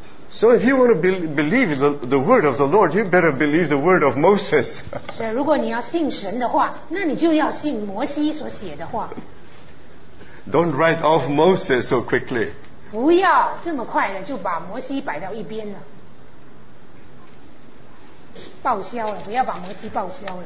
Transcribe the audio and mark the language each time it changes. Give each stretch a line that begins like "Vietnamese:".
English: So if you want to believe the word of the Lord, you better believe the word of Moses.
Chinese: 所以如果你要信神的话，那你就要信摩西所写的话。
English: Don't write off Moses so quickly.
Chinese: 不要这么快的就把摩西摆到一边了，报销了，不要把摩西报销了。